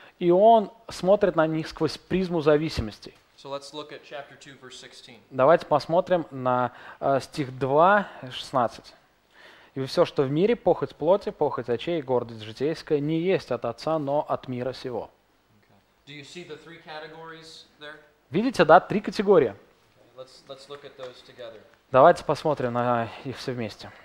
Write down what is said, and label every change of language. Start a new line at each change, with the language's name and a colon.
Russian: И он смотрит на них сквозь призму зависимости.
English: So let's look at chapter 2, verse 16.
Russian: Давайте посмотрим на стих 2, 16. «Ибо все, что в мире, похоть плоти, похоть очей, гордость житейская, не есть от Отца, но от мира сего».
English: Okay. Do you see the three categories there?
Russian: Видите, да, три категории.
English: Okay. Let's look at those together.
Russian: Давайте посмотрим на их все вместе.